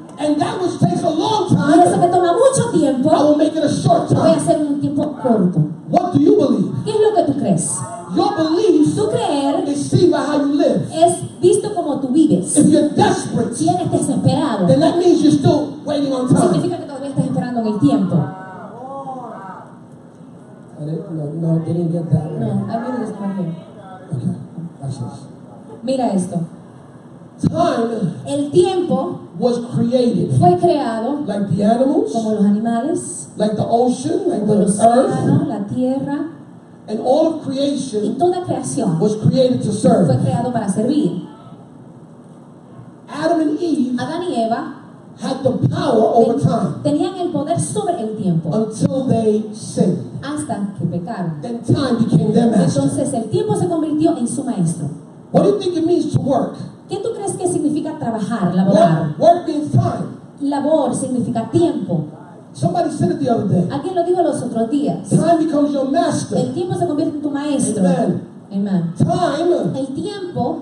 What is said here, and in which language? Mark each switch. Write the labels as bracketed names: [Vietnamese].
[English] And that which takes a long time, [Spanish] y eso que toma mucho tiempo, [English] I will make it a short time. [Spanish] Voy a hacer un tiempo corto. [English] What do you believe? [Spanish] ¿Qué es lo que tú crees? [English] Your belief, [Spanish] tu creer, [English] is seen by how you live. [Spanish] Es visto como tú vives. [English] If you're desperate, [Spanish] si eres desesperado, [English] then that means you're still waiting on time. [Spanish] Significa que todavía estás esperando en el tiempo. [English] No, they didn't get that one. No, I really just come here. Okay, watch this. [Spanish] Mira esto. [English] Time, [Spanish] el tiempo, [English] was created, [Spanish] fue creado, [English] like the animals, [Spanish] como los animales, [English] like the ocean, like the earth, [Spanish] la tierra, [English] and all of creation, [Spanish] y toda creación, [English] was created to serve, [Spanish] fue creado para servir. [English] Adam and Eve, [Spanish] Adán y Eva, [English] had the power over time, [Spanish] tenían el poder sobre el tiempo, [English] until they sinned, [Spanish] hasta que pecaron. [English] Then time became their master. [Spanish] Entonces el tiempo se convirtió en su maestro. [English] What do you think it means to work? [Spanish] ¿Qué tú crees que significa trabajar, laborar? [English] Work means time. [Spanish] Labor significa tiempo. [English] Somebody said it the other day. [Spanish] ¿A quién lo digo los otros días? [English] Time becomes your master. [Spanish] El tiempo se convierte en tu maestro. [English] Amen. [Spanish] Amen. [English] Time, [Spanish] el tiempo,